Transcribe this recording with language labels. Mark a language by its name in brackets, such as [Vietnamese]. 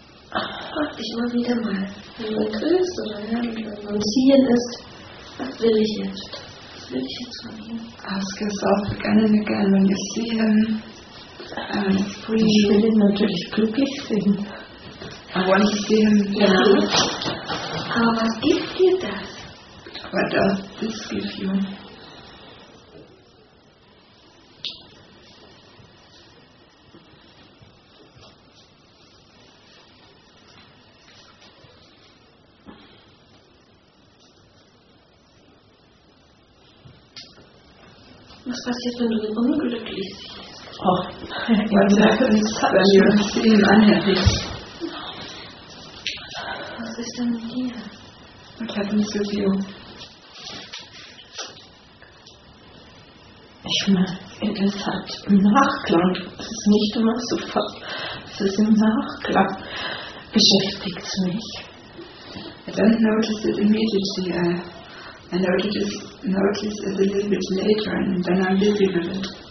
[German] Frag dich mal wieder mal, wenn man grüßt oder wenn man ziehen ist, was will ich jetzt? Was will ich jetzt von ihm? [English] Ask yourself again and again, when you see him. [German] Ich will ihn natürlich glücklich sehen. [English] I want to see him. [German] Ja. Aber was gibt dir das? [English] What does this give you? [German] Was passiert, wenn du ihn unglücklich siehst? Oh, [English] what happens when you see him unhappy? [German] Was ist denn mit dir? [English] What happens with you? [German] Ich meine, es hat im Nachklang, es ist nicht immer sofort, es ist im Nachklang, beschäftigt mich. [English] I don't notice it immediately. I notice it a little bit later and then I'm busy with it.